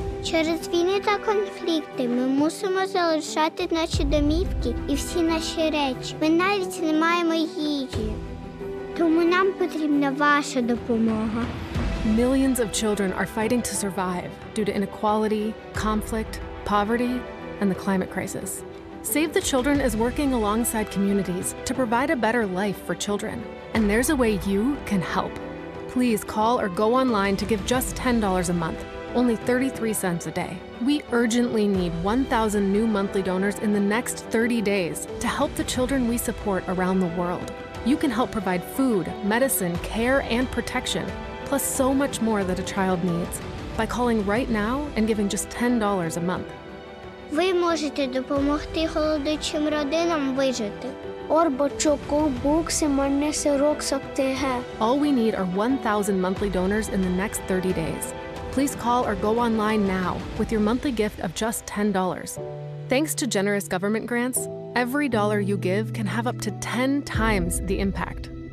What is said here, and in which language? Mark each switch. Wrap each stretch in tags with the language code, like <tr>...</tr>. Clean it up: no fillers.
<uk>Через війни конфлікти ми мусимо залишати наші домівки і всі наші речі. Ми навіть не маємо їжі. Тому нам потрібна ваша допомога.</uk> <en>Millions of children are fighting to survive due to inequality, conflict, poverty, and the climate crisis. Save the Children is working alongside communities to provide a better life for children. And there's a way you can help. Please call or go online to give just $10 a month, only 33 cents a day. We urgently need 1,000 new monthly donors in the next 30 days to help the children we support around the world. You can help provide food, medicine, care, and protection, plus so much more that a child needs, by calling right now and giving just $10 a month.</en> <uk>Ви можете допомогти голодуючим родинам вижити.</uk> <hi>और बच्चों को भूख से मरने से रोक सकते हैं.</hi> <en>All we need are 1,000 monthly donors in the next 30 days. Please call or go online now with your monthly gift of just $10. Thanks to generous government grants, every dollar you give can have up to 10 times the impact.</en>